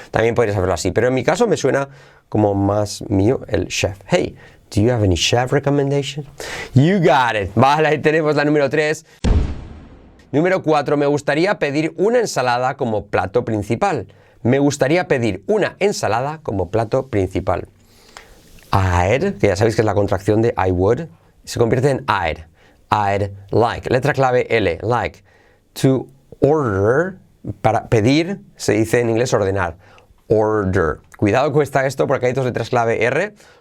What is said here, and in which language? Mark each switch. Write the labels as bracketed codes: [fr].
[es] También podrías hacerlo así, pero en mi caso me suena como más mío el chef. [en] Hey, do you have any chef recommendations? You got it. [es] Vale, ahí tenemos la número 3. Número 4, me gustaría pedir una ensalada como plato principal. Me gustaría pedir una ensalada como plato principal. I'd, que ya sabéis que es la contracción de I would, se convierte en I'd. [en] I'd like, [es] letra clave L, like. To order, para pedir, se dice en inglés ordenar. Order. Cuidado con esto porque hay dos letras clave R.